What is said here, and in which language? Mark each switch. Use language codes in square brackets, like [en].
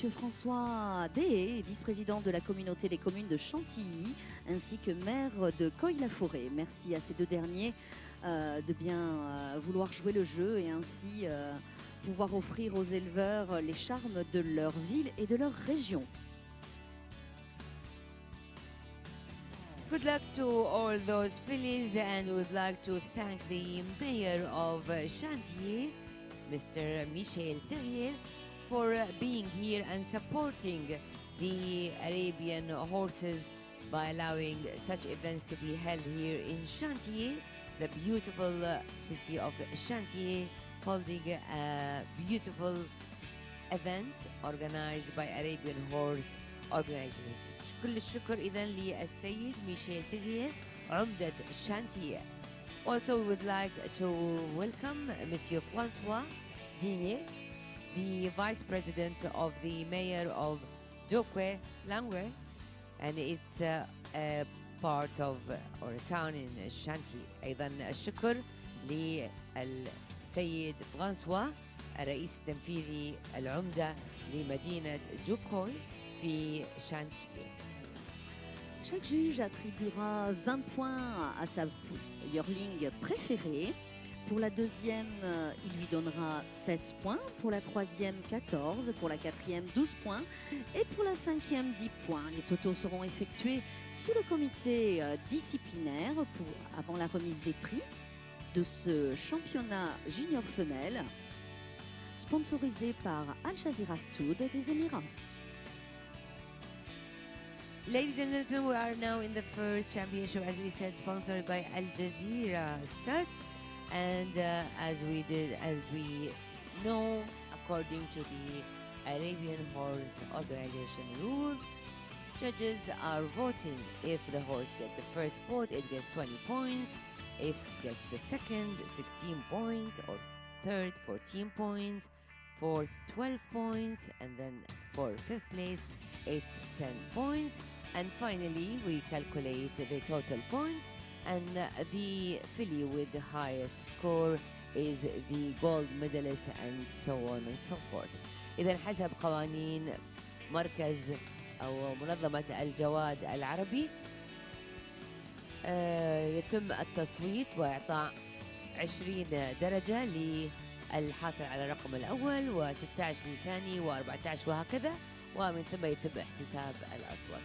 [fr] François Dehé, vice-président de la communauté des communes de Chantilly, ainsi que maire de Coye-la-Forêt. Merci à ces deux derniers de bien vouloir jouer le jeu et ainsi pouvoir offrir aux éleveurs les charmes de leur ville et de leur région. [en] Good luck to all those fillies, and we'd like to thank the mayor of Chantilly, Mr. Michel Terrier, for being here and supporting the Arabian horses by allowing such events to be held here in Chantilly, the beautiful city of Chantilly, holding a beautiful event organized by Arabian Horse Organization. [ar] كل الشكر إذن للسيد ميشيل تغيير عمدة شانتيه. [en] Also we would like to welcome Monsieur François Dié, the Vice President of the Mayor of Dokwe Langwe, and it's a part of or a town in Shanti. [ar] أيضاً الشكر للسيد François, الرئيس التنفيذي العمدة لمدينة دوكوي في شانتيه. [fr] Chaque juge attribuera 20 points à sa yearling préférée. Pour la deuxième, il lui donnera 16 points. Pour la troisième, 14. Pour la quatrième, 12 points. Et pour la cinquième, 10 points. Les totaux seront effectués sous le comité disciplinaire pour, avant la remise des prix de ce championnat junior femelle sponsorisé par Al Jazeera Stud des Émirats. [en] Ladies and gentlemen, we are now in the first championship, as we said, sponsored by Al Jazeera Stud. And as we know, a according to the Arabian Horse Organization rules, judges are voting. If the horse gets the first vote, it gets 20 points. If it gets the second, 16 points. Or third, 14 points. Fourth, 12 points. And then for fifth place, it's 10 points. And finally, we calculate the total points. And the filly with the highest score is the gold medalist, and so on and so forth. [ar] إذن حسب قوانين مركز أو منظمة الجواد العربي يتم التصويت وإعطاء 20 درجة للحاصل على الرقم الأول و16 للثاني و14 وهكذا، ومن ثم يتم احتساب الأصوات.